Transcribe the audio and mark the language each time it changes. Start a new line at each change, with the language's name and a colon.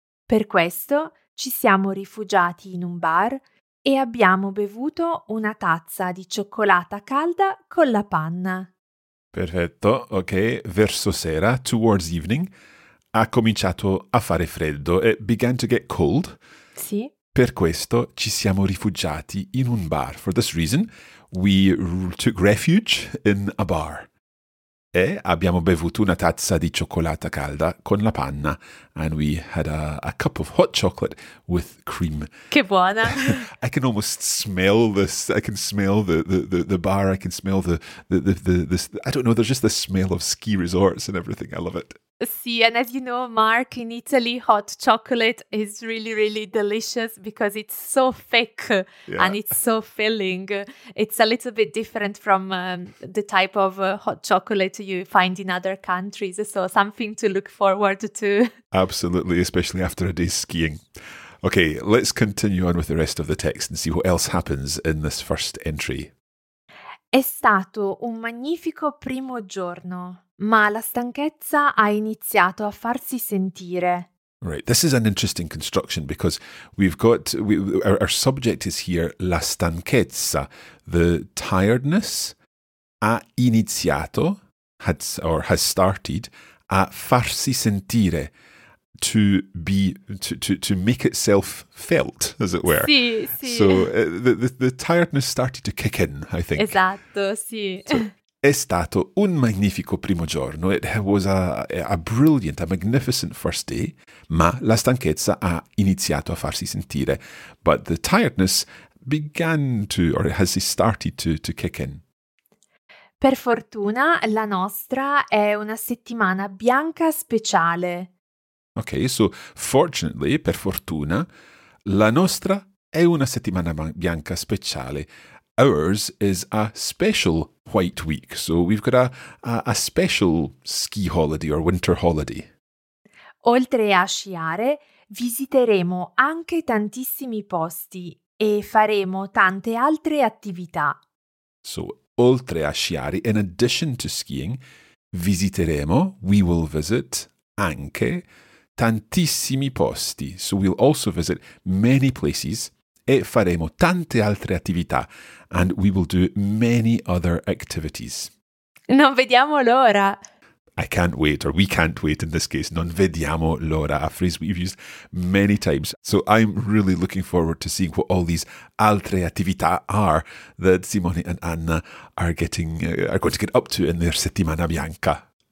Italian: Per questo ci siamo rifugiati in un bar e abbiamo bevuto una tazza di cioccolata calda con la panna. Perfetto, ok. Verso sera,
English: towards evening,
Italian: ha cominciato a fare freddo.
English: It began to get cold.
Italian: Sì. Per questo ci siamo rifugiati in un bar.
English: For this reason, we took refuge in a bar.
Italian: E abbiamo bevuto una tazza di cioccolata calda con la panna.
English: And we had a cup of hot chocolate with cream.
Italian: Che buona!
English: I can almost smell this. I can smell the bar. I can smell the I don't know, there's just the smell of ski resorts and everything. I love it. Sì, and as you know, Mark, in Italy, hot chocolate is really, really delicious because it's so thick, yeah, and it's so filling. It's a little bit different from the type of hot chocolate you find in other countries. So something to look forward to. Absolutely, especially after a day's skiing. Okay, let's continue on with the rest of the text and see what else happens in this first entry.
Italian: È stato un magnifico primo giorno. Ma la stanchezza ha iniziato a farsi sentire.
English: Right. This is an interesting construction because we've got our subject is here,
Italian: la stanchezza,
English: the tiredness.
Italian: Ha iniziato,
English: has started,
Italian: a farsi sentire,
English: to make itself felt, as it were.
Italian: Sì, sì.
English: So the tiredness started to kick in, I think.
Italian: Esatto, sì. È stato un magnifico primo giorno.
English: It was a magnificent first day,
Italian: ma la stanchezza ha iniziato a farsi sentire.
English: But the tiredness began to, or has started to kick in.
Italian: Per fortuna, la nostra è una settimana bianca speciale.
English: Ok, so fortunately,
Italian: per fortuna, la nostra è una settimana bianca speciale.
English: Ours is a special white week, so we've got a special ski holiday or winter holiday.
Italian: Oltre a sciare, visiteremo anche tantissimi posti e faremo tante altre attività.
English: So,
Italian: oltre a sciare,
English: in addition to skiing,
Italian: visiteremo,
English: we will visit,
Italian: anche, tantissimi posti.
English: So we'll also visit many places
Italian: e faremo tante altre attività.
English: And we will do many other activities.
Italian: Non vediamo l'ora!
English: I can't wait, or we can't wait in this case.
Italian: Non vediamo l'ora,
English: a phrase we've used many times. So I'm really looking forward to seeing what all these
Italian: altre attività
English: are that Simone and Anna are going to get up to in their settimana bianca.